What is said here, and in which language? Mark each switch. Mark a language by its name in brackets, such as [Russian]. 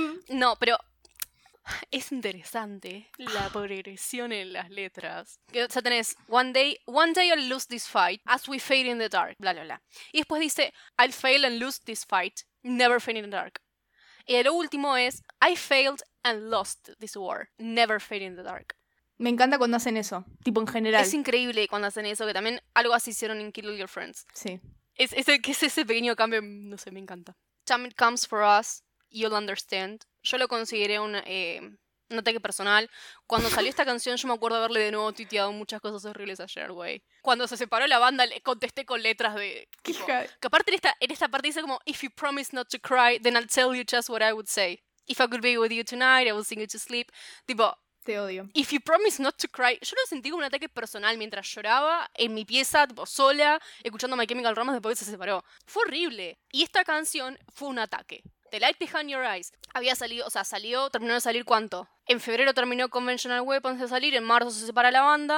[Spanish] No, pero es interesante la progresión en las letras. O sea, tenés [English] One day I'll lose this fight as we fade in the dark, [Spanish] bla, bla, bla. Y después dice [English] I'll fail and lose this fight, never fade in the dark. [Spanish] Y lo último es [English] I failed and lost this war, never fade in the dark. [Spanish] Me encanta cuando hacen eso, tipo en general. Es increíble cuando hacen eso, que también algo así hicieron en Kill All Your Friends. Sí. Es ese pequeño cambio, no sé, me encanta. [English] Time it comes for us, you'll understand. [Spanish] Yo lo consideré un ataque personal. Cuando salió esta canción, yo me acuerdo haberle de nuevo tuiteado muchas cosas horribles a Gerard Way. Cuando se separó la banda, le contesté con letras de... ¿Qué tipo, que aparte en esta parte dice como [English] "If you promise not to cry, then I'll tell you just what I would say. If I could be with you tonight, I would sing you to sleep". [Spanish] Tipo... Te odio. [English] "If you promise not to cry". [Spanish] Yo lo sentí como un ataque personal mientras lloraba en mi pieza, tipo, sola, escuchando My Chemical Romance después que se separó. Fue horrible. Y esta canción fue un ataque. The Light Behind Your Eyes había salido, o sea, salió, terminó de salir, ¿cuánto? En febrero terminó Conventional Weapons de salir, en marzo se separa la banda.